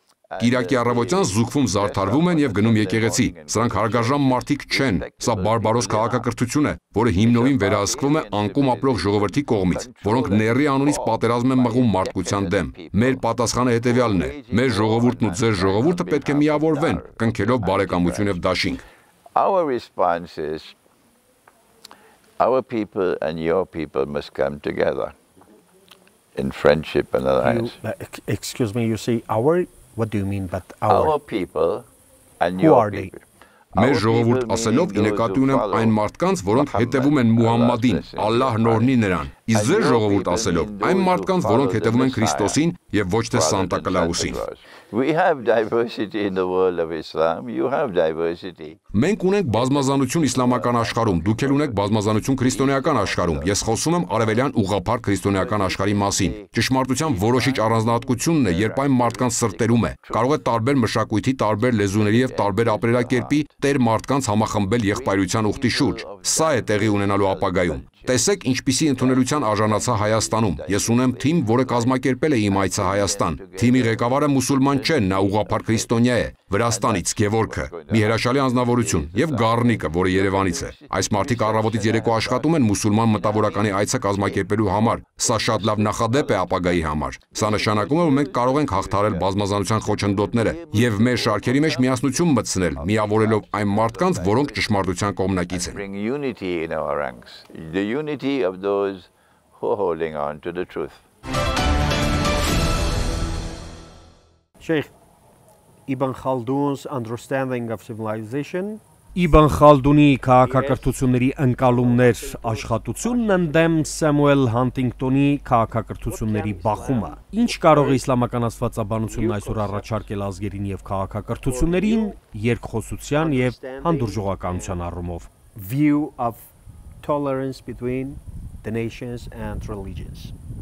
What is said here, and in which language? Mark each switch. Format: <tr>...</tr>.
<hy>Կիրակի առավոտյան զուգվում, զարդարվում են եւ գնում եկեղեցի։ Սրանք հարգարժան մարդիկ չեն, սա բարբարոս քաղաքակրթություն է, որը հիմնովին վերահսկվում է անկում ապրող ժողովրդի կողմից, որոնք ների անունից պատերազմ են մղում մարդկության դեմ։ Մեր պատասխանը հետեւյալն է. մեր ժողովուրդն ու ձեր ժողովուրդը պետք է միավորվեն, կնքելով բարեկամություն եւ դաշինք։</hy> <en>Our response is our people and your people must come together in friendship and alliance. Excuse me, you see our What do you mean but our people and your people?</en> <hy>Մեր ժողովուրդ ասելով ի նկատի ունեմ այն մարդկանց, որոնք հետևում են Մուհամմադին, Ալլահն օրհնի նրան։ Իսկ ձեր ժողովուրդ ասելով այն մարդկանց, որոնք հետևում են Քրիստոսին եւ ոչ թե Սանտա Կլաուսին։</hy> <en>We have diversity in the world of Islam. You have diversity.</en> <hy>Մենք ունենք բազմազանություն իսլամական աշխարհում, դուք էլ ունեք բազմազանություն քրիստոնեական աշխարհում։ Ես խոսում եմ արևելյան ուղղափառ քրիստոնեական աշխարհի մասին։ Ճշմարտության որոշիչ առանձնահատկությունն է, երբ այն մարդկանց սրտերում է, կարող է տարբեր մշակույթի, տարբեր լեզուների եւ տարբեր ապրելակերպի տեր մարդկանց համախմբել եղբայրության ուխտի շուրջ։ Սա է տեղի ունենալու ապագայում։ Տեսեք, ինչպիսի ընդունելության արժանացա Հայաստանում։ Ես ունեմ թիմ, որը կազմակերպել է իմ այցը Հայաստան։ Թիմի ղեկավարը մուսուլման չէ, նա ուղղափառ քրիստոնյա է, Վրաստանից, Գևորգը, մի հրաշալի անձնավորություն, և Գառնիկը, որը Երևանից է։ Այս մարդիկ առավոտից երեկո աշխատում են մուսուլման մտավորականի այցը կազմակերպելու համար։ Սա շատ լավ նախադեպ է ապագայի համար։ Սա նշանակում է, որ մենք կարող ենք հաղթահարել բազմազանության խոչընդոտները և մեր շարքերի մեջ միասնություն մտցնել, միավորելով այն մարդկանց, որոնք ճշմարտության կողմնակից են։</hy> <en>Unity of those who are holding on to the truth. Sheikh Ibn Khaldun's understanding of civilization.</en> <hy>Իբն Խալդունի քաղաքակրթությունների ընկալումներ աշխատությունն ընդդեմ Սամուել Հանտինգտոնի քաղաքակրթությունների բախումը։ Ինչ կարող է իսլամական աստվածաբանությունն այսօր առաջարկել ազգերին եւ քաղաքակրթություններին երկխոսության եւ հանդուրժողականության առումով։</hy> <en>View of tolerance between the nations and religions.</en>